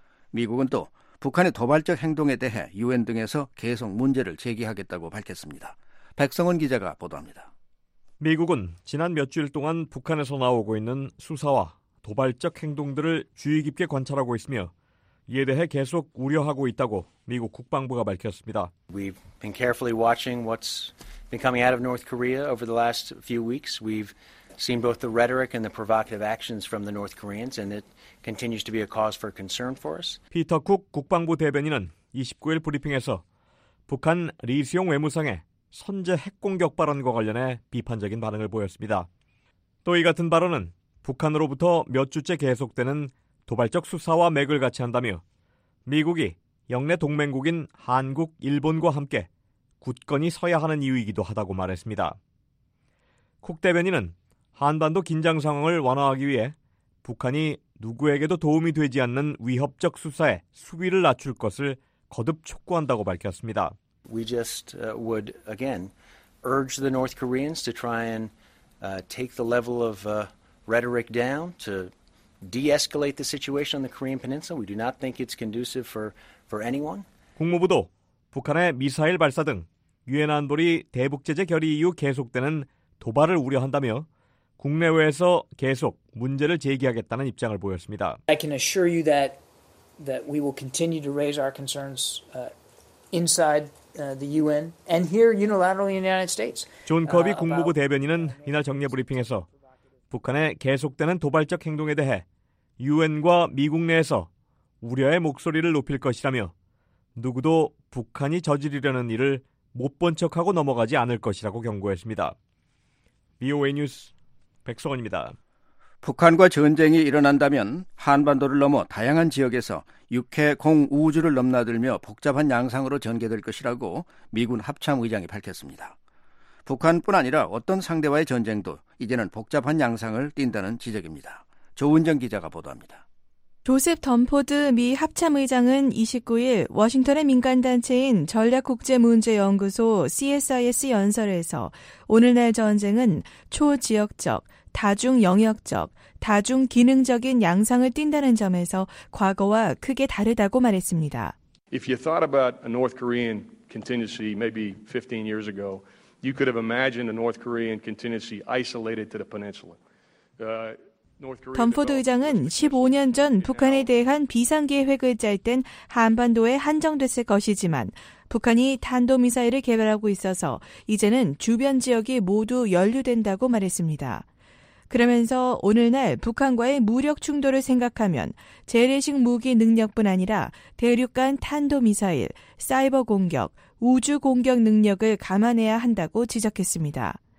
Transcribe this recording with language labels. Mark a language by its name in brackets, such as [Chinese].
[Korean] 미국은 또 북한의 도발적 행동에 대해 유엔 등에서 계속 문제를 제기하겠다고 밝혔습니다. 백성원 기자가 보도합니다. 미국은 지난 몇주일 동안 북한에서 나오고 있는 수사와 도발적 행동들을 주의 깊게 관찰하고 있으며 이에 대해 계속 우려하고 있다고 미국 국방부가 밝혔습니다. [English] We've been carefully watching what's been coming out of North Korea over the last few weeks. We've seen both the rhetoric and the provocative actions from the North Koreans, and it continues to be a cause for concern for us. [Korean] 피터 쿡 국방부 대변인은 29일 브리핑에서 북한 리시용 외무상의 선제 핵 공격 발언과 관련해 비판적인 반응을 보였습니다. 또 이 같은 발언은 북한으로부터 몇 주째 계속되는 도발적 수사와 맥을 같이 한다며 미국이 영내 동맹국인 한국, 일본과 함께 굳건히 서야 하는 이유이기도 하다고 말했습니다. 쿡 대변인은 한반도 긴장 상황을 완화하기 위해 북한이 누구에게도 도움이 되지 않는 위협적 수사에 수위를 낮출 것을 거듭 촉구한다고 밝혔습니다. [English] We just would again urge the North Koreans to try and take the level of rhetoric down to de-escalate the situation on the Korean Peninsula. We do not think it's conducive for anyone. [Korean] 국무부도 북한의 미사일 발사 등 유엔 안보리 대북 제재 결의 이후 계속되는 도발을 우려한다며 국내외에서 계속 문제를 제기하겠다는 입장을 보였습니다. [English] I can assure you that we will continue to raise our concerns inside the UN and here unilaterally in the United States. [Korean] 존 커비 국무부 대변인은 이날 정례 브리핑에서 북한의 계속되는 도발적 행동에 대해 UN과 미국 내에서 우려의 목소리를 높일 것이라며 누구도 북한이 저지르려는 일을 못 본 척하고 넘어가지 않을 것이라고 경고했습니다. VOA 뉴스 백성원입니다. 북한과 전쟁이 일어난다면 한반도를 넘어 다양한 지역에서 육해, 공, 우주를 넘나들며 복잡한 양상으로 전개될 것이라고 미군 합참의장이 밝혔습니다. 북한뿐 아니라 어떤 상대와의 전쟁도 이제는 복잡한 양상을 띈다는 지적입니다. 조은정 기자가 보도합니다. 조셉 덤포드 미 합참의장은 29일 워싱턴의 민간단체인 전략국제문제연구소 CSIS 연설에서 오늘날 전쟁은 초지역적, 다중영역적, 다중기능적인 양상을 띈다는 점에서 과거와 크게 다르다고 말했습니다. [English] If you thought about a North Korean contingency maybe 15 years ago, you could have imagined a North Korean contingency isolated to the peninsula. [Korean] 덤포드 의장은 15년 전 북한에 대한 비상계획을 짤 땐 한반도에 한정됐을 것이지만 북한이 탄도미사일을 개발하고 있어서 이제는 주변 지역이 모두 연루된다고 말했습니다. 그러면서 오늘날 북한과의 무력 충돌을 생각하면 재래식 무기 능력뿐 아니라 대륙 간 탄도미사일, 사이버 공격, 우주 공격 능력을 감안해야 한다고 지적했습니다.